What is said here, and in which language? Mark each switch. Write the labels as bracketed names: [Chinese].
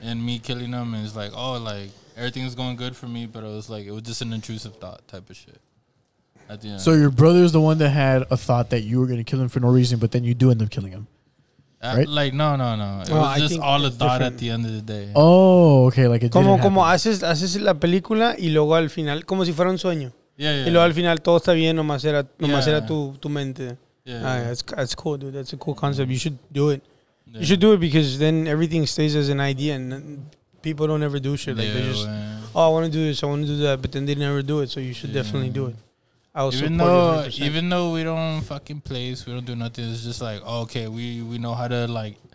[English] And me killing him, and it's like, oh, like, everything's going good for me, but it was just an intrusive thought type of shit. So your brother is the one that had a thought that you were going to kill him for no reason, but then you do end up killing him, right? Like, no. It was just a thought at the end of the day. Oh, okay. Like it [Spanish] como, [English] didn't [Spanish] como [English] happen. [Spanish] Como haces la película y luego al final, como si fuera un sueño. [English] Yeah. [Spanish] Y luego al final todo está bien, nomás era tu mente. [English] That's cool, dude. That's a cool concept. Yeah. You should do it. Yeah. You should do it because then everything stays as an idea and people don't ever do shit. Like, they just, I want to do this, I want to do that, but then they never do it. So you should definitely do it. Even though we don't fucking place, we don't do nothing. It's just like, okay, we know how to like.